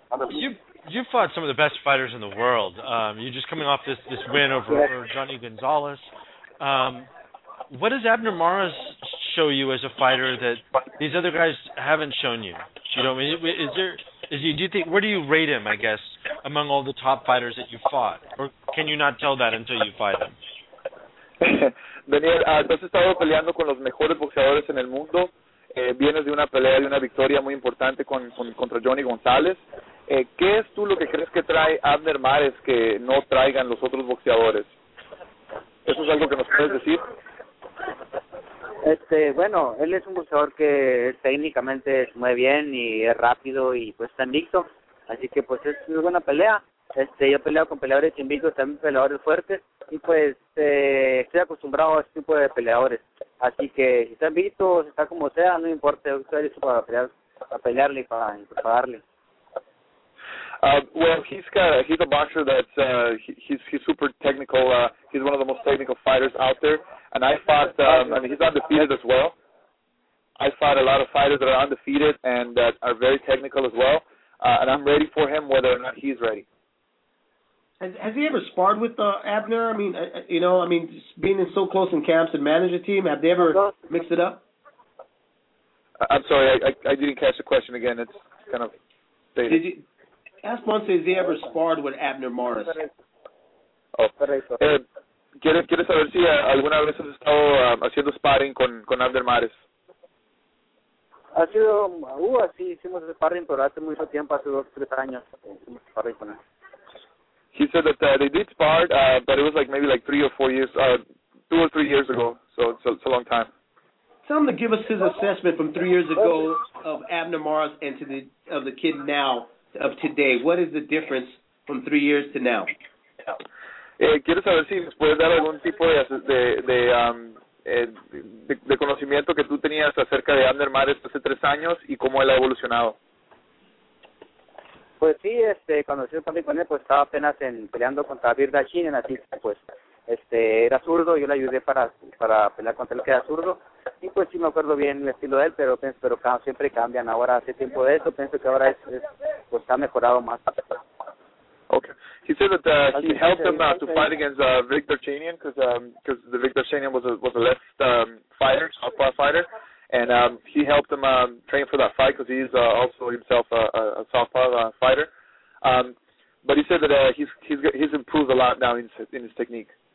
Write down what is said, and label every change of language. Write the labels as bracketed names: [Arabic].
[English] You fought some of the best fighters in the world. You're just coming off this win over Johnny Gonzalez. What does Abner Mares show you as a fighter that these other guys haven't shown you? You know, where do you rate him, I guess, among all the top fighters that you fought? Or can you not tell that until you fight him? [Spanish] Daniel, has estado peleando con los mejores boxeadores en el mundo. Vienes de una pelea y una victoria muy importante contra Johnny Gonzalez. ¿Qué es tú lo que crees que trae Abner Mares que no traigan los otros boxeadores? ¿Eso es algo que nos puedes decir? Bueno, él es un boxeador que técnicamente se mueve bien y es rápido y pues está invicto. así que pues es una buena pelea. Yo he peleado con peleadores invictos, también peleadores fuertes, y pues estoy acostumbrado a este tipo de peleadores, así que si está invicto, si está como sea, no importa, yo estoy listo para pelear, para pelearle y para darle. [English] Well, he's a boxer that's he's super technical. He's one of the most technical fighters out there, and I fought. He's undefeated as well. I fought a lot of fighters that are undefeated and that are very technical as well. And I'm ready for him, whether or not he's ready. Has he ever sparred with Abner? I mean, just being in so close in camps and manager team, have they ever mixed it up? I'm sorry, I didn't catch the question again. It's kind of dated. Ask Monse, has he ever sparred with Abner Morris? [Spanish] Oh, ¿quieres saber si alguna vez has estado haciendo sparring con Abner Morris? Ha sido, así hicimos sparring, pero hace mucho tiempo, hace 2-3 años, hicimos sparring con él. [English] He said that they did spar, but it was like maybe like 3 or 4 years, 2 or 3 years ago, so it's a long time. Tell him to give us his assessment from 3 years ago of Abner Morris and of the kid now. Of today, what is the difference from 3 years to now? [Spanish] Quiero saber si nos puedes dar algún tipo de conocimiento que tú tenías acerca de Abner Morris hace 3 años y cómo él ha evolucionado. Pues sí, cuando yo estaba con él, pues estaba apenas peleando contra Birda Chin, en así, pues, era zurdo, yo le ayudé para pelear contra él, que era zurdo, y pues sí me acuerdo bien el estilo de él, pero siempre cambian. Ahora hace tiempo de eso, pienso que ahora es pues ha mejorado más. [English] Okay. He said that he helped him to fight against Vic Darchanian, because the Vic Darchanian was a left fighter, southpaw fighter, and he helped him train for that fight, because he's also himself a southpaw fighter. But he said that he's improved a lot now in his technique.